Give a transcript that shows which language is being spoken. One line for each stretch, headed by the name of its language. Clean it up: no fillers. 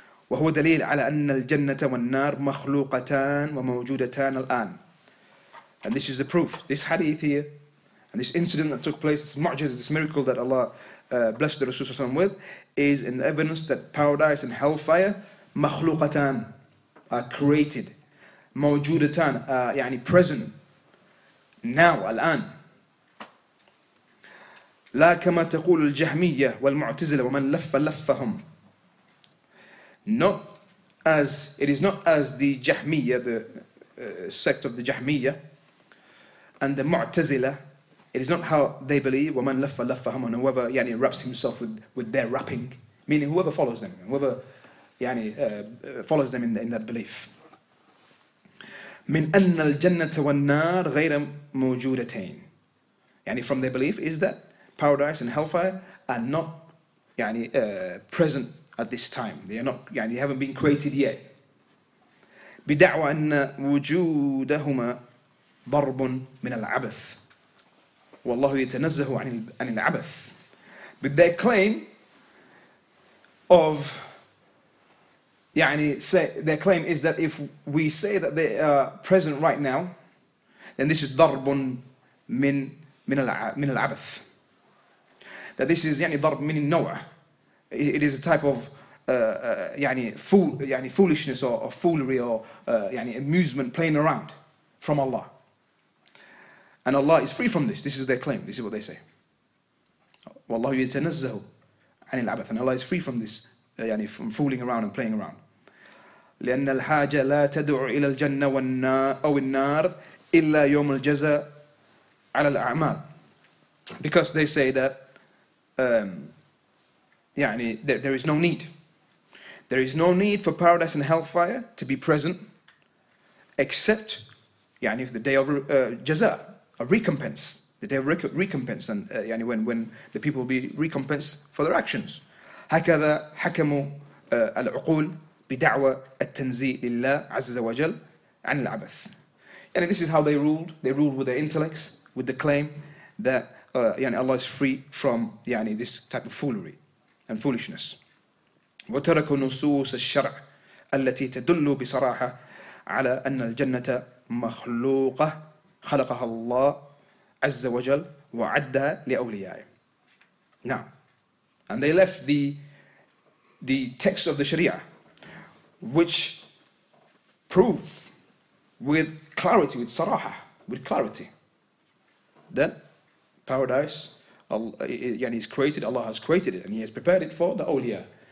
Arabic: وهو دليل على أن الجنة والنار مخلوقتان وموجودتان الآن.
English: And this is the proof. This hadith here, and this incident that took place, this mu'jiz, this miracle that Allah blessed the Rasulullah with, is an evidence that paradise and hellfire
Arabic: مخلوقتان
English: are created,
Arabic: موجودتان
English: يعني present now
Arabic: الآن. لا كما تقول الجهمية والمعتزلة ومن لف لفهم.
English: Not as it is not as the جهمية, the sect of the جهمية, and the معتزلة. It is not how they believe
Arabic: ومن لف لفهم
English: and whoever يعني wraps himself with their wrapping, meaning whoever follows them, whoever يعني follows them in that belief.
Arabic: من أن الجنة والنار غير موجودتين.
English: يعني from their belief is that paradise and hellfire are not يعني present at this time. They are not يعني haven't been created yet.
Arabic: بدعوى أن وجودهما ضرب من العبث والله يتنزه عن العبث.
English: But their claim of يعني say their claim is that if we say that they are present right now, then this is
Arabic: ضرب من العبث.
English: That this is يعني
Arabic: ضرب من النوع.
English: It is a type of يعني fool يعني foolishness or foolery or يعني amusement playing around from Allah. And Allah is free from this. This is their claim. This is what they say.
Arabic: والله يتنزه عن العبث.
English: And Allah is free from this يعني from fooling around and playing around.
Arabic: لأن الحاجة لا تدعو إلى الجنة أو النار إلا يوم الجزاء على الأعمال.
English: Because they say that يعني there is no need. There is no need for paradise and hellfire to be present except يعني if the day of جزاء, a recompense. The day of recompense and يعني when the people will be recompensed for their actions.
Arabic: هكذا حكموا العقول بدعوى التنزيل لله عز وجل عن العبث.
English: And this is how they ruled. They ruled with their intellects, with the claim that يعني Allah is free from يعني this type of foolery and foolishness.
Arabic: وتركوا نصوص الشرع التي تدل بصراحة على أن الجنة مخلوقة خلقها الله عز وجل وعدها لأوليائه.
English: Now, and they left the text of the Sharia, which prove with clarity, with saraha, with clarity, that paradise is created, Allah has created it, and He has prepared it for the awliya.